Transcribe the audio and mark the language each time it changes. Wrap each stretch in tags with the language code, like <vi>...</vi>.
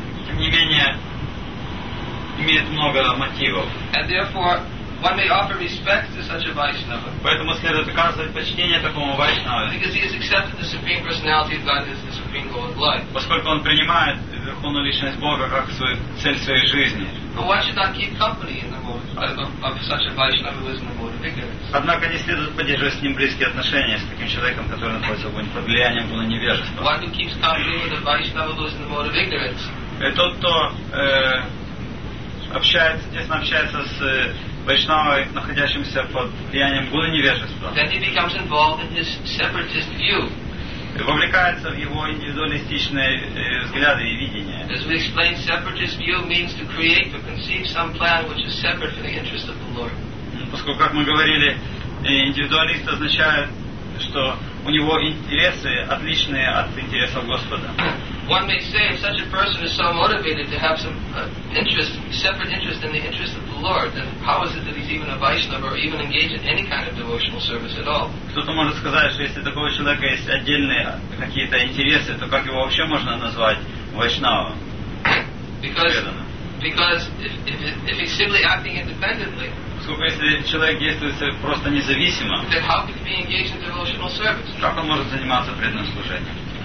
<ru>Тем не менее, имеет много мотивов.</ru> <en>And therefore, one may offer respect to such a Vaishnava.</en> <ru>Поэтому следует оказывать почтение такому Вайшнаве.</ru> <en>Because he has accepted the Supreme Personality of God as the Supreme Goal of Life.</en> <ru>Поскольку он принимает Верховную Личность Бога как свою цель своей жизни.</ru> <en>But why should not keep company in the mode of such a Vaishnava who is in the mode of ignorance?</en> <ru>Однако не следует поддерживать с ним близкие отношения с таким человеком, который находится под влиянием гуна невежества.</ru> <en>Why do keep company with a Vaishnava who is in the mode of ignorance?</en> <ru>Тот, кто общается, тесно общается с Вайшнавой, находящимся под влиянием гуна невежества.</ru> <en>Then he becomes involved in his separatist view.</en> <ru>Вовлекается в его индивидуалистичные взгляды и видения.</ru> <en>As we explained, separatist view means to create or conceive some plan which is separate from the interest of the Lord.</en> <ru>Поскольку, как мы говорили, индивидуалист означает, что у него интересы отличные от интересов Господа.</ru> <en>One may say, if such a person is so motivated to have some separate interest in the interest of the Lord, then how is it that he's even a Vaishnava or even engaged in any kind of devotional service at all?</en> <ru>Кто-то может сказать, что если такого человека есть отдельные какие-то интересы, то как его вообще можно назвать Вайшнава?</ru> <en>Because if he's simply acting independently.</en> <ru>Поскольку если человек действует просто независимо,</ru> <en>then how can he be engaged in devotional service?</en> <ru>Как он может заниматься преданным служением?</ru>